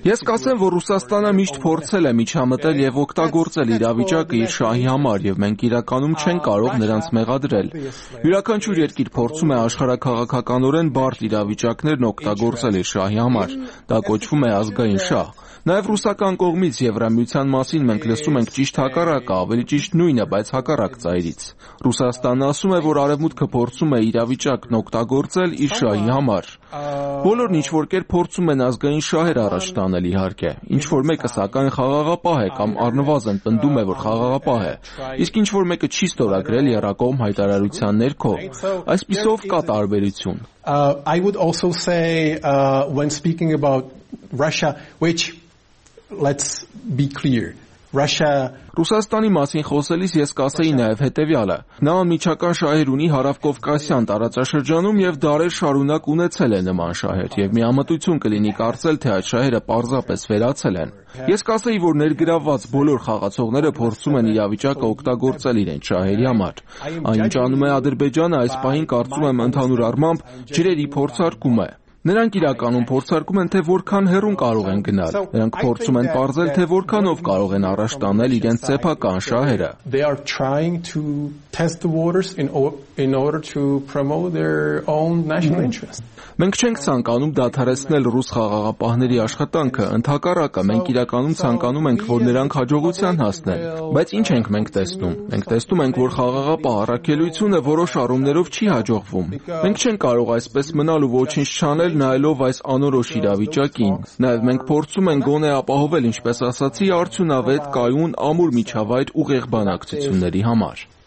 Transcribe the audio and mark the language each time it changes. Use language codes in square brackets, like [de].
[hy] Ես կասեմ, որ Ռուսաստանը միշտ փորձել է միջամտել եւ օգտագործել իրավիճակը իր շահի համար, եւ մենք իրականում չեն կարող նրանց մեղադրել։ Յուրաքանչյուր երկիր փորձում է աշխարհակաղակականորեն բարդ իրավիճակներն օգտագործել իր շահի համար։ Դա կոչվում է ազգային շահ։ Նաև ռուսական կողմից Եվրամիության մասին մենք լսում ենք ճիշտ հակառակը, ավելի ճիշտ նույնը, բայց հակառակ ծայրից։ Ռուսաստանն ասում է, որ Արևմուտքը փորձում է իրավիճակն օգտագործել իր շահի համար։ Բոլորն ինչ որ կեր փորձում են ազգային շահեր առաջ տանել, իհարկե։ Ինչ որ մեկը սակայն խաղաղապահ է կամ առնվազն պնդում է, որ խաղաղապահ է, իսկ ինչ որ մեկը չի ստորագրել Եռակողմ հայտարարության ներքո, այսպիսով կա տարբերություն։ [en] I would also say when speaking about Russia, which let's be clear, Russia [hy] Ռուսաստանի մասին խոսելիս ես կասեի նաև հետևյալը. Նա անմիջական շահեր ունի Հարավկովկասյան տարածաշրջանում եւ դարեր շարունակ ունեցել է նման շահեր, եւ միամտություն կլինի կարծել, թե այդ շահերը պարզապես վերացել են։ Ես կասեի, որ ներգրավված բոլոր խաղացողները փորձում են իրավիճակը օգտագործել իրենց շահերի համար։ Այն ճանում է Ադրբեջանը այս պահին, կարծում եմ, ընդհանուր առմամբ ջրերի փորձարկում է։ Նրանք իրականում փորձարկում են, թե որքան հերուն կարող են գնալ։ Նրանք փորձում են պարզել, թե որքանով կարող են առաջ տանել իրենց սեփական շահերը։ [en] They are trying to test the waters in order to promote their own national interest. [hy] Մենք չենք ցանկանում դադարեցնել ռուս խաղաղապահների աշխատանքը, ընդհակառակը, մենք իրականում ցանկանում ենք, որ նրանք հաջողության հասնեն։ Բայց ինչ ենք մենք տեսնում։ Մենք տեսնում ենք, որ խաղաղապահ առաքելությունը որոշ առումներով չի հաջողվում։ Մենք չենք կարող այսպես մնալու ոչինչ չանել նայելով այս անորոշ իրավիճակին։ Նաև մենք փորձում ենք գոնե ապահովել, ինչպես ասացի, արդյունավետ կայուն ամուր միջավայր ուղեղ բանակցությունների համար։